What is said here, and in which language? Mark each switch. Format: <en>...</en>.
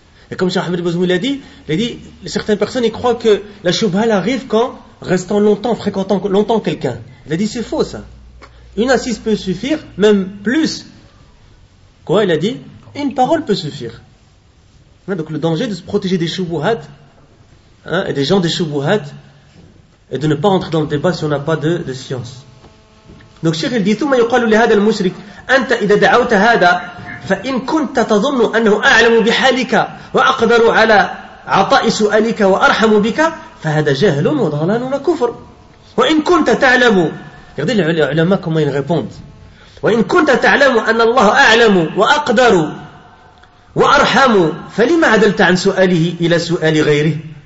<fr>Et comme chez Ahmed Bazmoul il a dit, certaines personnes ils croient que la choubha elle arrive quand restant longtemps, fréquentant longtemps quelqu'un. Il a dit c'est faux ça. Une assise peut suffire, même plus. Quoi? Il a dit une parole peut suffire. Donc le danger de se protéger des choubouhat hein, et des gens des choubouhat et de ne pas entrer dans le débat si on n'a pas de science. Donc Cheikh il dit</fr> <ar>ثم يقال لهذا المشرك أنت إذا دعوت هذا فإن كنت تظن أنه أعلم بحالك وأقدر على عطاء سؤالك وأرحم بك فهذا جهل وضلال وكفر وإن كنت تعلم.</ar> <fr>Regardez les ulama comment ils répondent.</fr> <ar>وإن كنت تعلم أن الله أعلم وأقدر وأرحم فلما عدلت عن سؤاله إلى سؤال غيره.</ar>